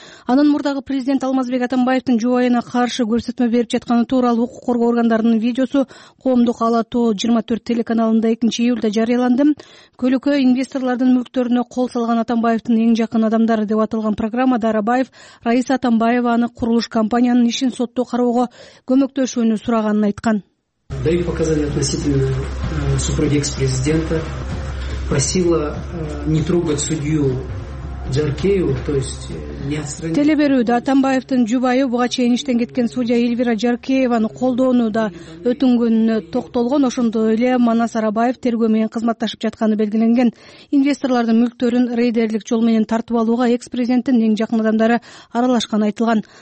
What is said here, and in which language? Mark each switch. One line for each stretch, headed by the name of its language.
Kyrgyz: Анын мурдагы президент Алмазбек Атамбаевдин жубайына каршы көрсөтмө берип жатканы тууралуу укук коргоо органдарынын видеосу коомдук Ала Тоо 24 телеканалында 2 июлда жарыяланды. Көлөкө инвесторлордун мүлктөрүнө кол салган Атамбаевдин эң жакын адамдары деп аталган программада Арабаев Раиса Атамбаеваны курулуш компаниянын ишин сотто кароого көмөктөшүүнү сураганын айткан.
Russian: Дай показания относительно супруги экс-президента. Просила не трогать судью Жаркееву, то есть не отстранить.
Kyrgyz: Телеберүүдө Атамбаевдин жубайы буга чейин иштен кеткен судья Эльвира Жаркееваны колдоону да өтүнгөнүнө токтолгон. Ошондой эле Манас Арабаев тергөө менен кызматташып жатканы белгиленген. Инвесторлордун мүлктөрүн рейдерлик жол менен тартып алууга экс-президенттин эң жакын адамдары аралашканы айтылган.